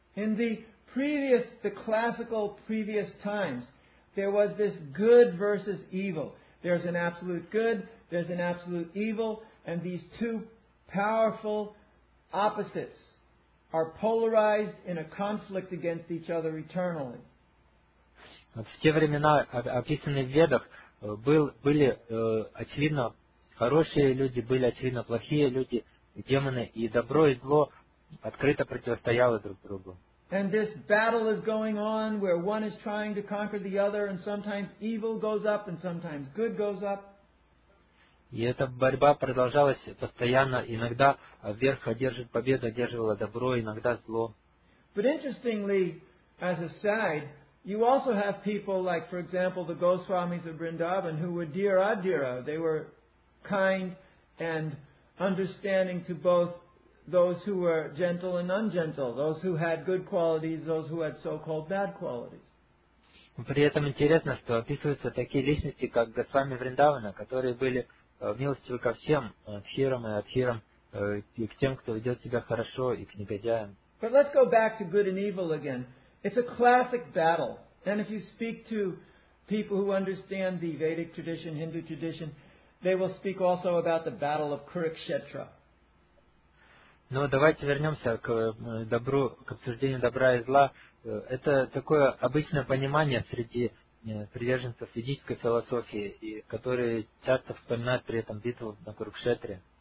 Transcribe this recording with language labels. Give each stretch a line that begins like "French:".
English: In the classical previous times, there was this good versus evil. There's an absolute good, there's an absolute evil, and these two powerful opposites are polarized in a conflict against each other eternally.
Russian: Вот в те времена, описанные в Ведах, были очевидно хорошие люди, были очевидно плохие люди, демоны, и добро и зло открыто противостояло друг другу.
English: And this battle is going on where one is trying to conquer the other, and sometimes evil goes up and sometimes good goes up.
Russian: И эта борьба продолжалась постоянно. Иногда вверх одерживает победу, одерживало добро, иногда зло.
English: But interestingly, as a side, you also have people like, for example, the Goswamis of Vrindavan, who were dear adhira. They were kind and understanding to both those who were gentle and ungentle, those who had good qualities, those who had so-called bad qualities.
Russian: При этом интересно, что описываются такие личности, как Госвами Вриндавана, которые были милостивы ко всем, адхирам и адхирам, и к тем, кто ведет себя хорошо, и к негодяям.
English: But let's go back to good and evil again. It's a classic battle. And if you speak to people who understand the Vedic tradition, Hindu tradition, they will speak also about the battle of Kurukshetra.
Russian: Но давайте вернемся к добру, к обсуждению добра и зла. Это такое обычное понимание среди приверженцев ведической философии, и которые часто вспоминают при этом битву на Курукшетре.